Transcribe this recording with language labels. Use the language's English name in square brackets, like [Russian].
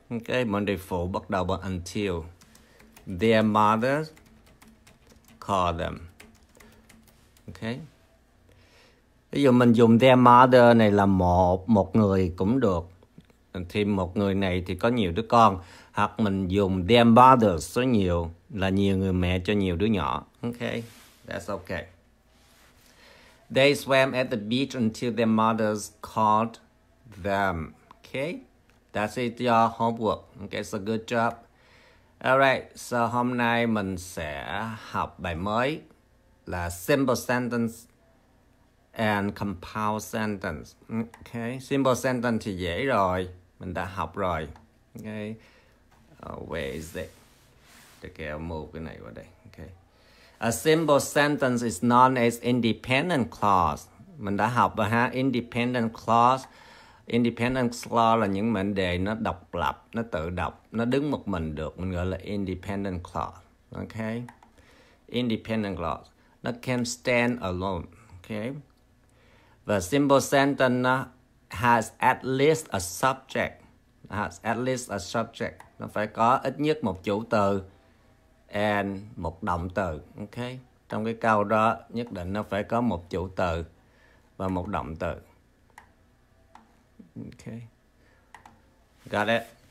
[Vietnamese] Ok, mệnh đề phụ bắt đầu bằng until. [English] Their mother called them. [Vietnamese] Ok. Ví dụ mình dùng their mother này là một người cũng được. Thì một người này thì có nhiều đứa con. Hoặc mình dùng their mother số nhiều là nhiều người mẹ cho nhiều đứa nhỏ. [English] Ok, that's ok. They swam at the beach until their mothers called them. Ok. That's it, your homework. Okay, so good job. [Vietnamese] Alright, so hôm nay mình sẽ học bài mới là [English] simple sentence and compound sentence. [Vietnamese] Okay, simple sentence thì dễ rồi, mình đã học rồi. [English] Okay, where is it? [Vietnamese] Để kéo move cái này vào đây. [English] Okay, a simple sentence is known as independent clause. [Vietnamese] Mình đã học rồi ha, independent clause. Independent clause là những mệnh đề nó độc lập, nó tự độc, nó đứng một mình được. Mình gọi là independent clause. [English] Okay. Independent clause. [Vietnamese] Nó [English] can stand alone. Okay. The simple sentence has at least a subject. At least a subject. [Vietnamese] Nó phải có ít nhất một chủ từ and một động từ. Ok. Trong cái câu đó nhất định nó phải có một chủ từ và một động từ. Ok. [English] Got it.